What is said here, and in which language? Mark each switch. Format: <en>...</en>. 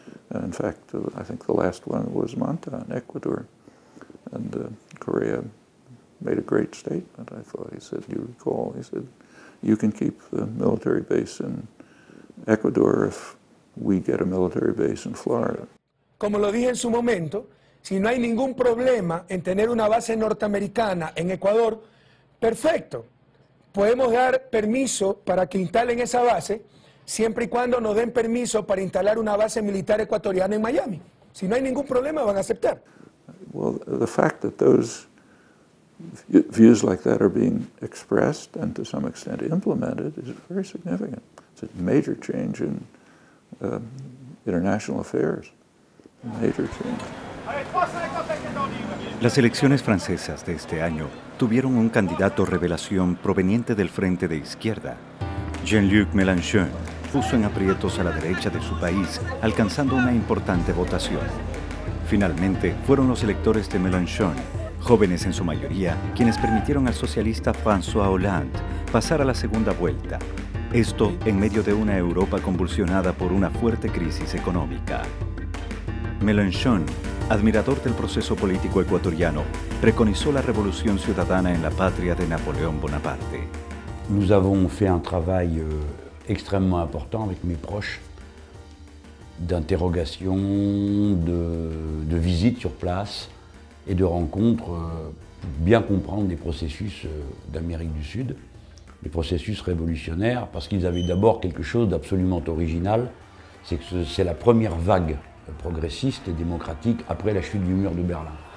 <en>And in fact, I think the last one was Manta in Ecuador. And Correa made a great statement, I thought. He said, you recall, he said, you can keep the military base in Ecuador if we get a military base in Florida.</en> <es>Como lo dije en su momento, si no hay ningún problema en tener una base norteamericana en Ecuador, perfecto. Podemos dar permiso para que instalen esa base siempre y cuando nos den permiso para instalar una base militar ecuatoriana en Miami. Si no hay ningún problema, van a aceptar.</es> <en>Well, the fact that those views like that are being expressed and to some extent implemented is very significant. It's a major change in international affairs. Major change.</en> <es>Las elecciones francesas de este año tuvieron un candidato revelación proveniente del frente de izquierda. Jean-Luc Mélenchon puso en aprietos a la derecha de su país, alcanzando una importante votación. Finalmente, fueron los electores de Mélenchon, jóvenes en su mayoría, quienes permitieron al socialista François Hollande pasar a la segunda vuelta. Esto en medio de una Europa convulsionada por una fuerte crisis económica. Mélenchon, admirador del proceso político ecuatoriano, preconizó la revolución ciudadana en la patria de Napoleón Bonaparte.</es> <fr>Nous avons fait un travail extrêmement important avec mes proches d'interrogation, de visites sur place et de rencontres pour bien comprendre les processus d'Amérique du Sud, les processus révolutionnaires, parce qu'ils avaient d'abord quelque chose d'absolument original, c'est que c'est la première vague progressiste et démocratique après la chute du mur de Berlin.</fr>